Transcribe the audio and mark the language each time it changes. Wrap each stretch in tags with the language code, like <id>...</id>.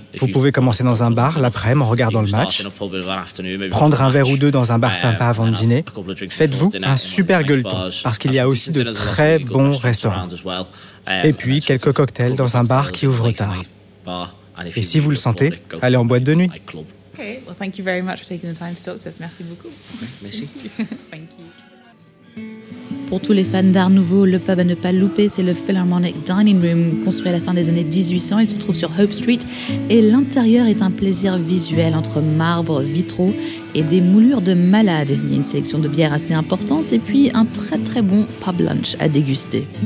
<fr>Vous pouvez commencer dans un bar l'après-midi en regardant le match, prendre un verre ou deux dans un bar sympa avant de dîner. Faites-vous un super gueuleton, parce qu'il y a aussi de très bons restaurants. Et puis, quelques cocktails dans un bar qui ouvre tard. Et si vous le sentez, allez en boîte de nuit.</fr> <en>Okay, well, thank you very much for taking the time to talk to us.</en> <fr>Merci beaucoup. Merci.</fr> <en>Thank you.</en> <fr>Pour tous les fans d'art nouveau, le pub à ne pas louper, c'est le Philharmonic Dining Room, construit à la fin des années 1800. Il se trouve sur Hope Street et l'intérieur est un plaisir visuel entre marbre, vitraux et des moulures de malades. Il y a une sélection de bières assez importante et puis un très très bon pub lunch à déguster.</fr>